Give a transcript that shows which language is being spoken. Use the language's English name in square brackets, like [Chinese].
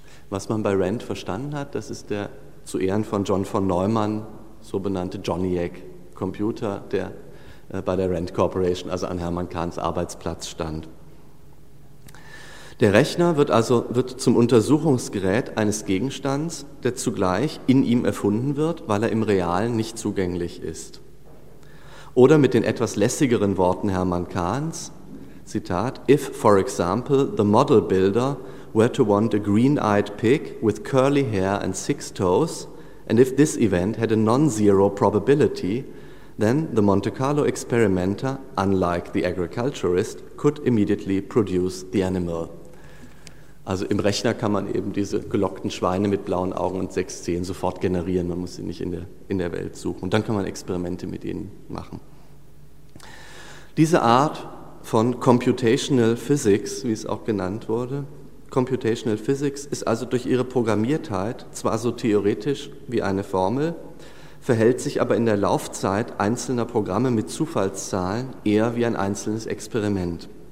[German] Was man bei Rand verstanden hat, das ist der zu Ehren von John von Neumann so benannte Johnny-Egg-Computer, der bei der Rand Corporation, also an Hermann Kahns Arbeitsplatz, stand. Der Rechner wird zum Untersuchungsgerät eines Gegenstands, der zugleich in ihm erfunden wird, weil er im Realen nicht zugänglich ist. Oder mit den etwas lässigeren Worten Hermann Kahns, Zitat: [English] If, for example, the model builder were to want a green-eyed pig with curly hair and six toes, and if this event had a non-zero probability, then the Monte Carlo experimenter, unlike the agriculturist, could immediately produce the animal. [German] Also im Rechner kann man eben diese gelockten Schweine mit blauen Augen und sechs Zehen sofort generieren. Man muss sie nicht in der Welt suchen. Und dann kann man Experimente mit ihnen machen. Diese Art von Computational Physics, wie es auch genannt wurde, Computational Physics ist also durch ihre Programmiertheit zwar so theoretisch wie eine Formel, verhält sich aber in der Laufzeit einzelner Programme mit Zufallszahlen eher wie ein einzelnes Experiment.